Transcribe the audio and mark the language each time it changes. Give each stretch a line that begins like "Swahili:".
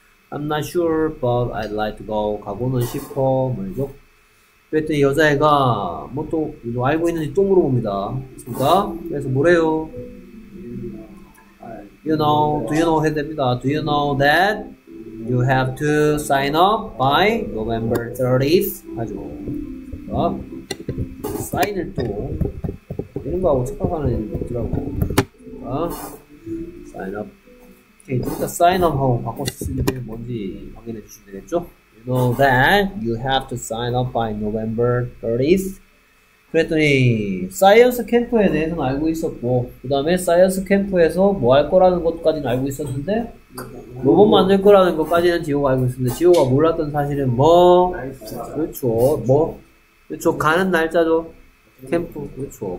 English: I'm not sure, but I'd like to go.
Korean: 가고는 싶어, 말이죠. 그랬더니 여자애가 뭐 또 뭐 알고 있는지 또 물어봅니다. 그러니까 그래서 뭐래요?
English: You know, do you know 해야 됩니다. Do you know that you have to sign up by November 30th?
Korean: 하죠. 어? 사인을 또, 이런 거하고 착각하는 애들 없더라고. 어? Sign up. 오케이, 일단 sign up 하고 바꿔 쓰는 게 뭔지 확인해 주시면 되겠죠?
English: You know that you have to sign up by November 30th?
Korean: 그랬더니 사이언스 캠프에 대해서는 알고 있었고 그 다음에 사이언스 캠프에서 뭐 할 거라는 것까지는 알고 있었는데 로봇 만들 거라는 것까지는 지호가 알고 있었는데 지호가 몰랐던 사실은 뭐? 날짜. 그렇죠. 뭐? 그렇죠. 가는 날짜죠. 캠프. 그렇죠.